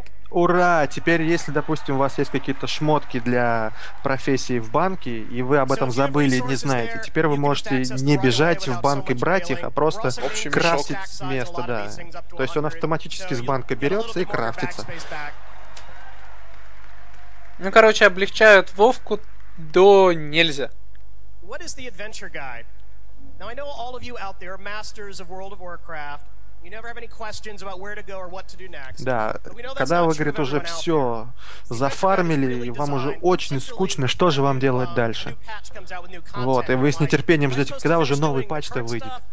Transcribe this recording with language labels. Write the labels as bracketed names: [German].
[Russian] Ура! Теперь, если, допустим, у вас есть какие-то шмотки для профессии в банке, и вы об этом забыли и не знаете, теперь вы можете не бежать в банк и брать их, а просто крафтить место, да. То есть он автоматически с банка берется и крафтится. Ну, короче, облегчают Вовку до нельзя. [English] What is the adventure guide? Now I know all of you out there are masters of World of Warcraft. You never have any questions about where to go or what to do next. [Russian] Да, когда вы, говорит, уже все зафармили, и вам уже очень скучно, что же вам делать дальше? Вот, и вы с нетерпением ждете, когда уже новый патч-то выйдет.